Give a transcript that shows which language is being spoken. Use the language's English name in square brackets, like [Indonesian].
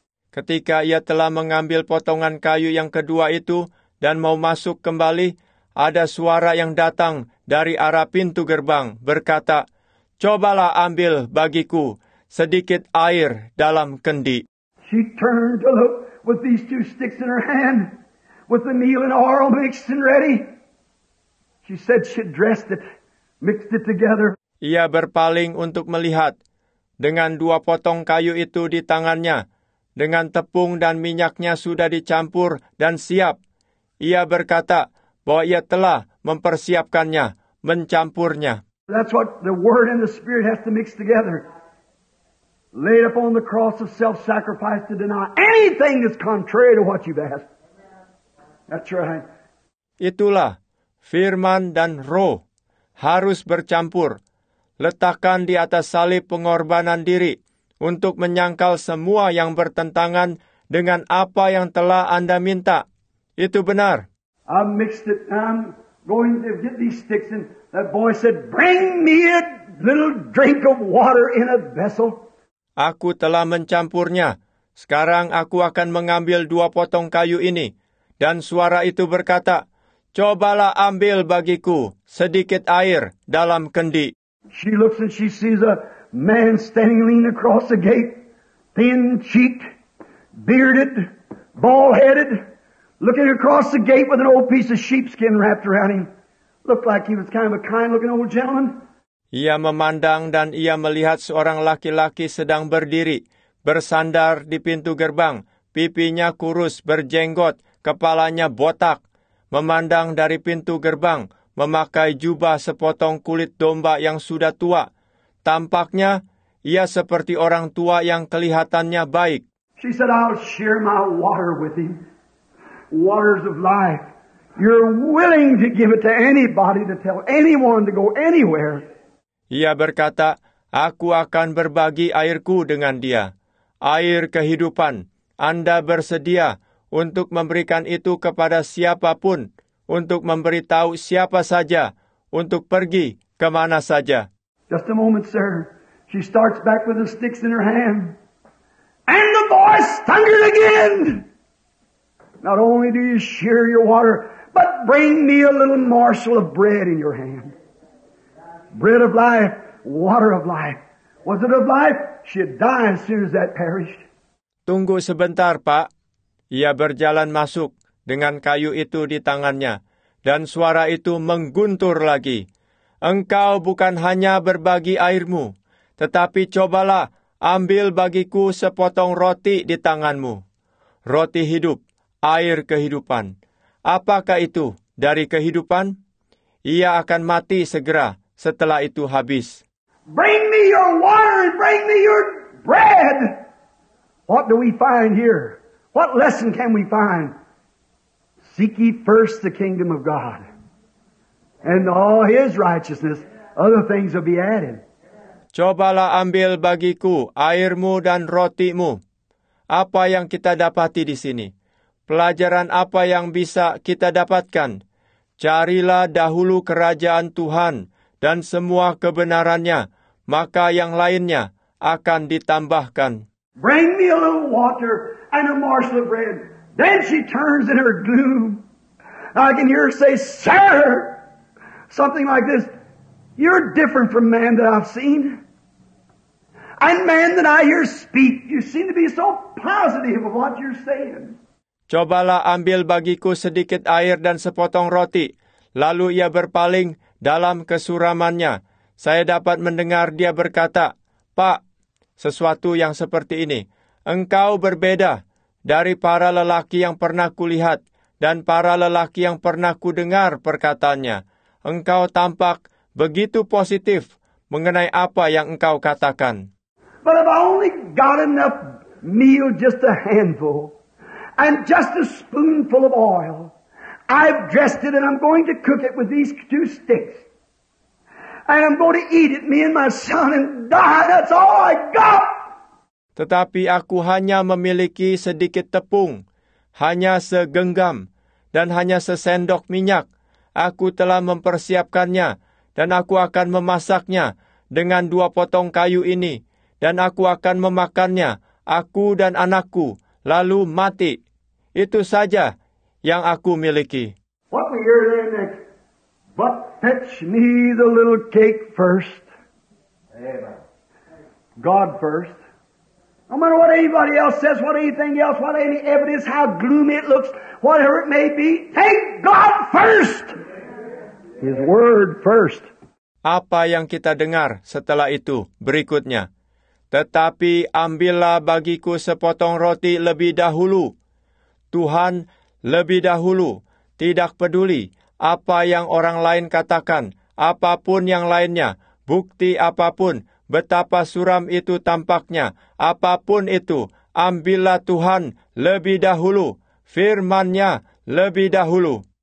[Indonesian] Ketika ia telah mengambil potongan kayu yang kedua itu dan mau masuk kembali, ada suara yang datang dari arah pintu gerbang berkata, cobalah ambil bagiku sedikit air dalam kendi. [English] She turned to look with these two sticks in her hand, with the meal and oil mixed and ready. She said she dressed it, mixed it together. [Indonesian] Ia berpaling untuk melihat dengan dua potong kayu itu di tangannya. Dengan tepung dan minyaknya sudah dicampur dan siap. Ia berkata bahwa ia telah mempersiapkannya, mencampurnya. [English] That's what the word and the spirit has to mix together. Laid upon the cross of self-sacrifice to deny anything that's contrary to what you've asked. That's right. [Indonesian] Itulah firman dan roh harus bercampur. Letakkan di atas salib pengorbanan diri untuk menyangkal semua yang bertentangan dengan apa yang telah Anda minta. Itu benar. [English] I mixed it. I'm going to get these sticks. And that boy said, bring me a little drink of water in a vessel. [Indonesian] Aku telah mencampurnya. Sekarang aku akan mengambil dua potong kayu ini. Dan suara itu berkata, cobalah ambil bagiku sedikit air dalam kendi. [English] She looks and she sees a man standing leaning across the gate, thin-cheeked, bearded, bald-headed, looking across the gate with an old piece of sheepskin wrapped around him. Looked like he was kind of a kind-looking old gentleman. [Indonesian] Ia memandang dan ia melihat seorang laki-laki sedang berdiri, bersandar di pintu gerbang, pipinya kurus, berjenggot, kepalanya botak, memandang dari pintu gerbang, memakai jubah sepotong kulit domba yang sudah tua. Tampaknya, ia seperti orang tua yang kelihatannya baik. [English] She said, I'll share my water with him. Waters of life. You're willing to give it to anybody to tell anyone to go anywhere. [Indonesian] Ia berkata, aku akan berbagi airku dengan dia. Air kehidupan. Anda bersedia untuk memberikan itu kepada siapapun. Untuk memberitahu siapa saja, untuk pergi ke mana saja. [English] Just a moment, sir. She starts back with the sticks in her hand. And the voice thundered again. Not only do you share your water, but bring me a little morsel of bread in your hand. Bread of life, water of life. Was it of life? She'd die as soon as that perished. [Indonesian] Tunggu sebentar, Pak. Ia berjalan masuk dengan kayu itu di tangannya, dan suara itu mengguntur lagi. Engkau bukan hanya berbagi airmu, tetapi cobalah ambil bagiku sepotong roti di tanganmu. Roti hidup, air kehidupan. Apakah itu dari kehidupan? Ia akan mati segera setelah itu habis. [English] Bring me your water, bring me your bread. What do we find here? What lesson can we find? Seek ye first the kingdom of God, and all his righteousness, other things will be added. [Indonesian] Cobalah ambil bagiku airmu dan rotimu. Apa yang kita dapati di sini? Pelajaran apa yang bisa kita dapatkan? Carilah dahulu kerajaan Tuhan, dan semua kebenarannya, maka yang lainnya akan ditambahkan. [English] Bring me a little water and a morsel of bread. Then she turns in her gloom. I can hear her say, "Sir," something like this, "You're different from man that I've seen. And man that I hear speak, you seem to be so positive of what you're saying." [Indonesian] Cobalah ambil bagiku sedikit air dan sepotong roti. Lalu ia berpaling dalam kesuramannya. Saya dapat mendengar dia berkata, "Pak, sesuatu yang seperti ini. Engkau berbeda dari para lelaki yang pernah kulihat dan para lelaki yang pernah kudengar perkataannya. Engkau tampak begitu positif mengenai apa yang engkau katakan." [English] But if I only got enough meal, just a handful, and just a spoonful of oil, I've dressed it and I'm going to cook it with these two sticks. And I'm going to eat it, me and my son, and die, that's all I got! [Indonesian] Tetapi aku hanya memiliki sedikit tepung, hanya segenggam, dan hanya sesendok minyak. Aku telah mempersiapkannya, dan aku akan memasaknya dengan dua potong kayu ini. Dan aku akan memakannya, aku dan anakku, lalu mati. Itu saja yang aku miliki. [English] What we hear there next? But fetch me the little cake first. Amen. God first. No matter what anybody else says, what anything else, what any evidence, how gloomy it looks, whatever it may be, take God first. His word first. [Indonesian] Apa yang kita dengar setelah itu, berikutnya. Tetapi ambillah bagiku sepotong roti lebih dahulu. Tuhan lebih dahulu, tidak peduli apa yang orang lain katakan, apapun yang lainnya, bukti apapun, betapa suram itu tampaknya, apapun itu, ambillah Tuhan lebih dahulu, firman-Nya lebih dahulu.